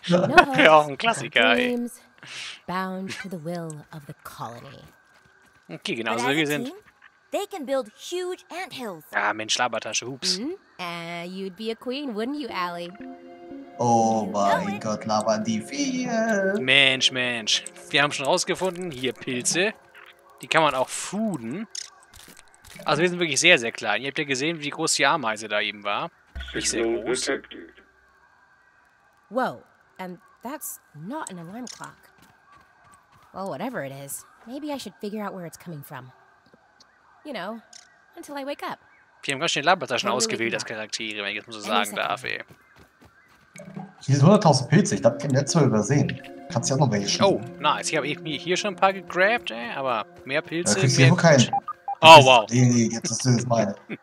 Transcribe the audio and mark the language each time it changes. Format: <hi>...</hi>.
<de>Wäre auch ein Klassiker, ey.</de> <en>Bound to the will of the colony. Okay,</en> <de>genau so wie wir sind.</de> <en>They can build huge anthills.</en> <de>Ah, Mensch, Labertasche, hups.</de> <en>You'd be a queen, wouldn't you, Allie?</en> <de>Oh mein Gott, labern die vier. Mensch, Mensch. Wir haben schon rausgefunden, hier Pilze. Die kann man auch fooden. Also wir sind wirklich sehr, sehr klein. Ihr habt ja gesehen, wie groß die Ameise da eben war. Nicht sehr groß.</de> <en>Whoa, and that's not an alarm clock. Well, whatever it is, maybe I should figure out where it's coming from. You know, until I wake up.</en> <de>Wir haben ganz schön Labertaschen ausgewählt als Charaktere, wenn ich das mal so sagen darf, ey. Hier sind 100.000 Pilze, ich glaube, die letzte Mal übersehen. Kannst du ja auch noch welche schaffen. Oh, nice. Ich habe mir hier schon ein paar gegrabt, ey, aber mehr Pilze. Da kriegst du auch keinen. Oh, wow. Nee, jetzt hast du das meine.</de>